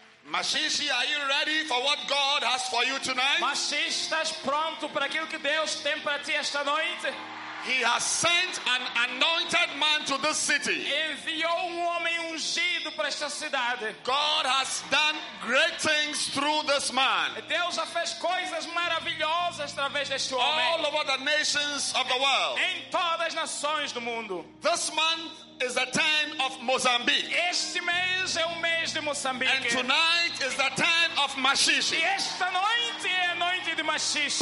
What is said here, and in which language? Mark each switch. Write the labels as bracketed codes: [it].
[en] Maxixe, are you ready for what God has for you tonight? [pt] Maxixe, estás pronto para aquilo que Deus tem para ti esta noite? [en] He has sent an anointed man to this city. [pt] Enviou homem ungido para esta cidade. [en] God has done great things through this man. [pt] Deus já fez coisas maravilhosas através deste homem. [en] All over the nations of the world. [pt] Em todas as nações do mundo. [en] This man is the time of Mozambique. [pt] Este mês é o mês de Moçambique. [en] And tonight is the time of Maxixe. [pt] E esta noite é a noite de Maxixe.